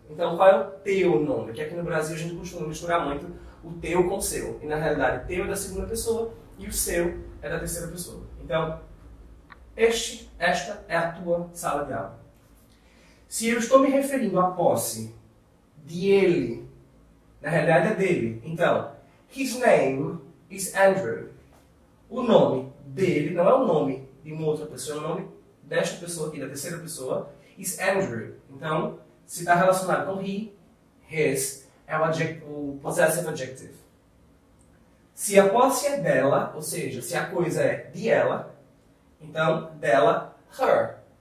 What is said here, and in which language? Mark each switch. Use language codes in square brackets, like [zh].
[pt] Então qual é o teu nome? Que aqui no Brasil a gente costuma misturar muito o teu com o seu. E na realidade, teu é da segunda pessoa e o seu é da terceira pessoa. Então, esta é a tua sala de aula. Se eu estou me referindo à posse de ele, na realidade é dele. [en] Então, his name is Andrew. [pt] O nome dele, não é o nome de uma outra pessoa, é o nome desta pessoa aqui, da terceira pessoa, [en] is Andrew. [pt] Então, se está relacionado com he, his, é o possessive adjective. Se a posse é dela, ou seja, se a coisa é de ela, então, dela, her.